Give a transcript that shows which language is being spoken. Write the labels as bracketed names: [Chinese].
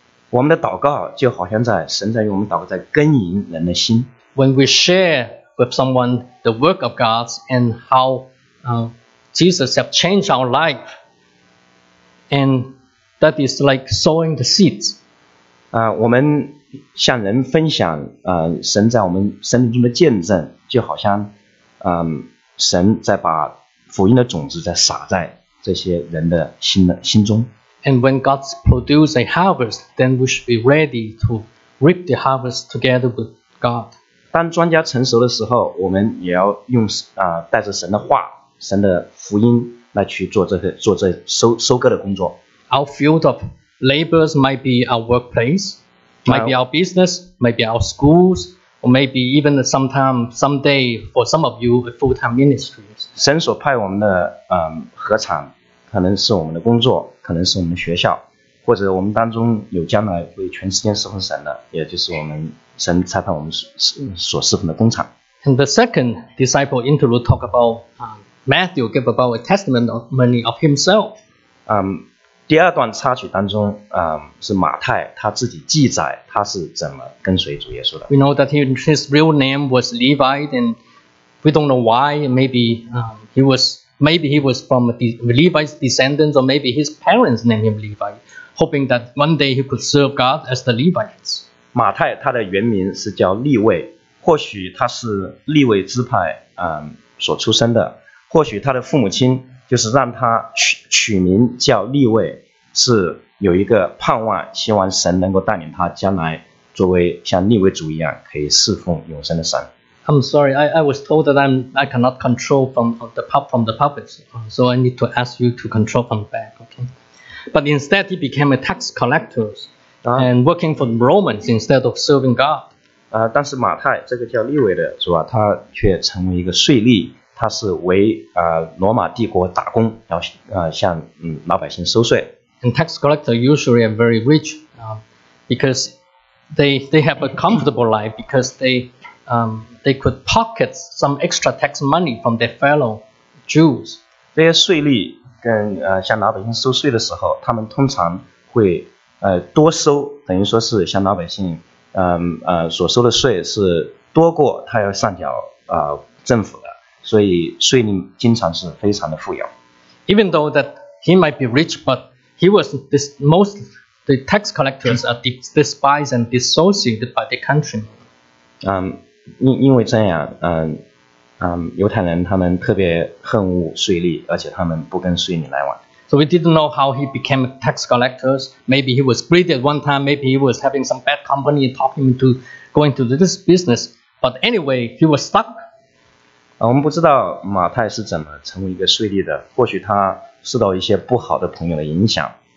[Chinese] 我们的祷告就好像在神在用我们祷告在耕耘人的心。 [English] When we share with someone the work of God and how Jesus have changed our life, and that is like sowing the seeds. [Chinese] 我们向人分享神在我们生命中的见证，就好像神在把福音的种子在撒在这些人的心中。 [English] And when God produces a harvest, then we should be ready to reap the harvest together with God. [Chinese] 当庄稼成熟的时候，我们也要用带着神的话、神的福音来去做这收割的工作。 [English] Our field of labors might be our workplace, might be our business, might be our schools, or maybe even sometime, someday for some of you, a full-time ministry. [Chinese] 神所派我们的禾场，可能是我们的工作，可能是我们的学校，或者我们当中有将来会全时间侍奉神的，也就是我们神差派我们所侍奉的工厂。 [English] And the second disciple interlude talk about Matthew give about a testimony of himself. [Chinese] 第二段插曲当中，是马太他自己记载他是怎么跟随主耶稣的。 [English] We know that his real name was Levi, and we don't know why. Maybe he was from Levi's descendants, or maybe his parents named him Levi, hoping that one day he could serve God as the Levites. [Chinese] 马太他的原名是叫利未，或许他是利未支派所出生的，或许他的父母亲就是让他取名叫利未，是有一个盼望，希望神能够带领他将来作为像利未族一样可以侍奉永生的神。 [English] I'm sorry, I was told that I cannot control from the puppets, so I need to ask you to control from the back, okay? But instead, he became a tax collector and working for the Romans instead of serving God. [Chinese] 但是马太这个叫利未的是吧？他却成为一个税吏，他是为罗马帝国打工，要向老百姓收税。 [English] And tax collector usually are very rich, because they have a comfortable life because they could pocket some extra tax money from their fellow Jews. [Chinese] 这些税吏跟向老百姓收税的时候，他们通常会多收，等于说是向老百姓所收的税是多过他要上缴政府的，所以税吏经常是非常的富有。 [English] Even though that he might be rich, but he was the tax collectors are despised and dissociated by the country. [Chinese] 因为这样，犹太人他们特别恨恶税吏，而且他们不跟税吏来往。 [English] So we didn't know how he became a tax collector. Maybe he was greedy at one time. Maybe he was having some bad company and talking to going to this business. But anyway, he was stuck. [Chinese] 我们不知道马太是怎么成为一个税吏的。或许他受到一些不好的朋友的影响。